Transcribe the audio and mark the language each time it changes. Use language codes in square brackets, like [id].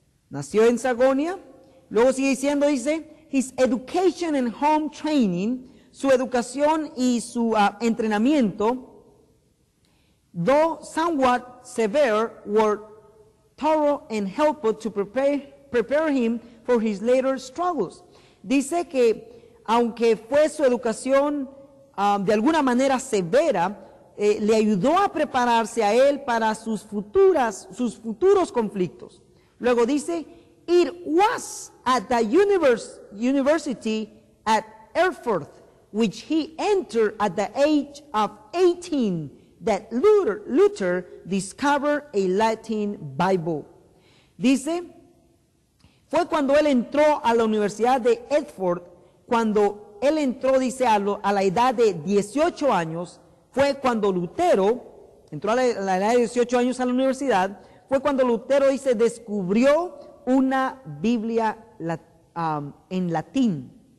[es] Nació en Sagonia. Luego sigue diciendo, dice, [en] his education and home training, [es] su educación y su entrenamiento, [en] though somewhat severe, were thorough and helpful to prepare him for his later struggles. [es] Dice que aunque fue su educación de alguna manera severa, le ayudó a prepararse a él para sus futuros conflictos. Luego dice, [en] it was at the university at Erfurt, which he entered at the age of 18, that Luther discovered a Latin Bible. [es] Dice, fue cuando él entró a la Universidad de Erfurt, cuando él entró, dice, a la edad de 18 años, fue cuando Lutero, entró a la edad de 18 años a la universidad, fue cuando Lutero, dice, descubrió una Biblia en latín.